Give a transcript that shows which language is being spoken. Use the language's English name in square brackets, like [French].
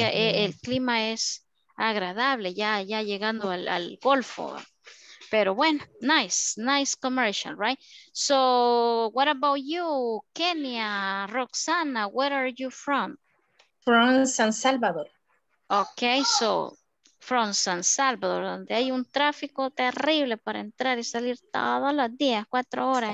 [Spanish] Que el clima es agradable, ya llegando al Golfo. Pero bueno, [English] nice commercial, right? So, what about you, Kenya, Roxana, where are you from? From San Salvador. Ok, so, from San Salvador, [Spanish] donde hay un tráfico terrible para entrar y salir todos los días, 4 horas.